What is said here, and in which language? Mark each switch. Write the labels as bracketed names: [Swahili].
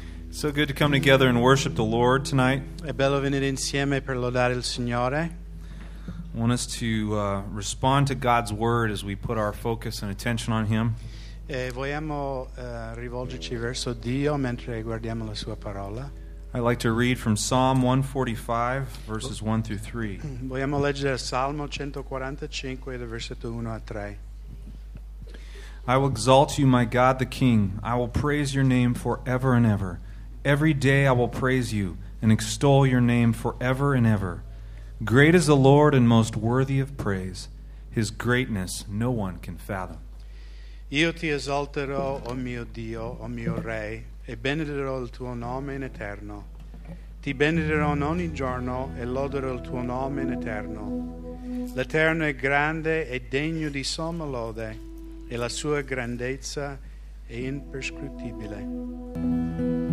[English] So good to come together and worship the Lord tonight. [Italian] È bello venire insieme per lodare il Signore. [English] I want us to respond to God's word as we put our focus and attention on Him. [Italian] E vogliamo rivolgerci verso Dio mentre guardiamo la Sua parola. [English] I'd like to read from Psalm 145, verses 1 through 3. [Italian] Vogliamo leggere Salmo 145, versetto 1 a 3. [English] I will exalt you, my God the King. I will praise your name forever and ever. Every day I will praise you and extol your name forever and ever. Great is the Lord and most worthy of praise. His greatness no one can fathom. [Italian] Io ti esalterò, o mio Dio, o mio Re, e benedirò il tuo nome in eterno. Ti benedirò ogni giorno e loderò il tuo nome in eterno. L'Eterno è grande e degno di somma lode, e la sua grandezza è imperscrutibile.